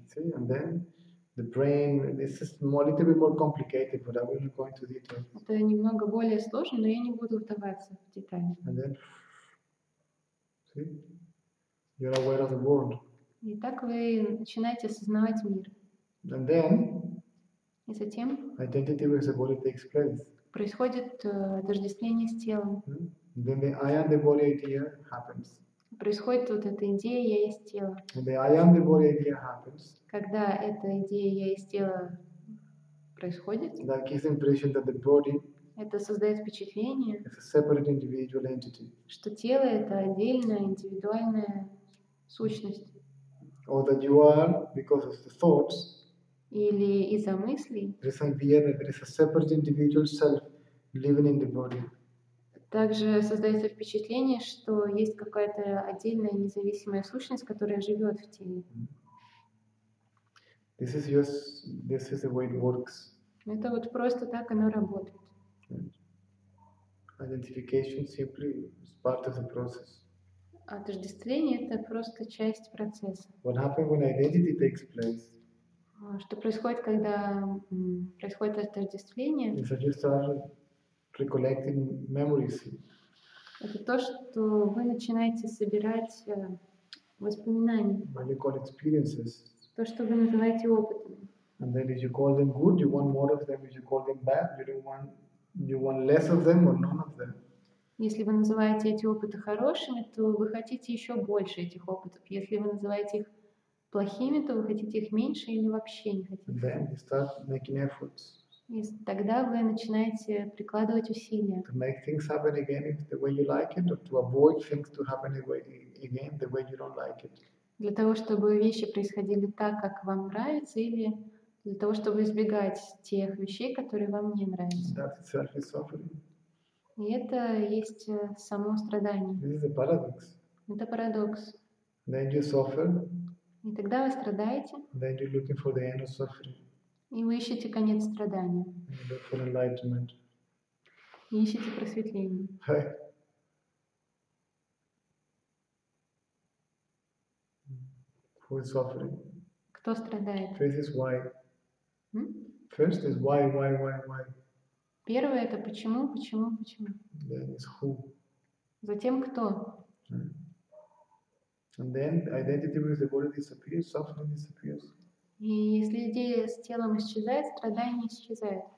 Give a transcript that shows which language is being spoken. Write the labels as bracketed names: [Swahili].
[English] See? And then the brain, this is a little bit more complicated, but I will not go into detail. [Russian] Это немного более сложно, но я не буду вдаваться в детали. [English] And then, see, you're aware of the world. [Russian] И так вы начинаете осознавать мир. [English] And then, [Russian] и затем, [English] identity with the body takes place. [Russian] Происходит отождествление с телом. [English] And then the I am the body idea happens. [Russian] Происходит вот эта идея «я есть тело». [English] The I am the body idea happens. [Russian] Когда эта идея «я есть тело» происходит. [English] That gives the impression that the body. [Russian] Это создает впечатление. [English] It's a separate individual entity. [Russian] Что тело это отдельная индивидуальная сущность. [English] Or that you are because of the thoughts. [Russian] Или из-за мыслей. [English] There is a being, there is a separate individual self living in the body. [Russian] Также создается впечатление, что есть какая-то отдельная независимая сущность, которая живет в теле. [English] This is just, this is the way it works. [Russian] Это вот просто так оно работает. [English] Identification simply is part of the process. [Russian] Отождествление это просто часть процесса. [English] What happens when identity takes place? [Russian] Что происходит, когда происходит отождествление? [English] It's just recollecting memories. [Russian] Это то, что вы начинаете собирать воспоминания. [English] What you call experiences. [Russian] То, что вы называете опытами. [English] And then if you call them good, you want more of them. If you call them bad, you want less of them or none of them. [Russian] Если вы называете эти опыты хорошими, то вы хотите еще больше этих опытов. Если вы называете их плохими, то вы хотите их меньше или вообще не хотите. [English] And then you start making efforts. [Russian] И тогда вы начинаете прикладывать усилия. [English] To make things happen again the way you like it, or to avoid things to happen again the way you don't like it. [Russian] Для того, чтобы вещи происходили так, как вам нравится, или для того, чтобы избегать тех вещей, которые вам не нравятся. [English] That itself is suffering. [Russian] И это есть само страдание. [English] This is a paradox. [Russian] Это парадокс. [English] Then you suffer. [Russian] И тогда вы страдаете. [English] Then you're looking for the end of suffering. [Russian] И вы ищете конец страдания. [English] And look for enlightenment. [Russian] И ищете просветление. [English] Hey. Who is suffering? [Russian] Кто страдает? [English] First is why. First is why. [Russian] Первое это почему. [English] Then is who. [Russian] Затем кто. [English] And then identity with the body disappears, suffering disappears. [Russian] И если идея с телом исчезает, страдание исчезает.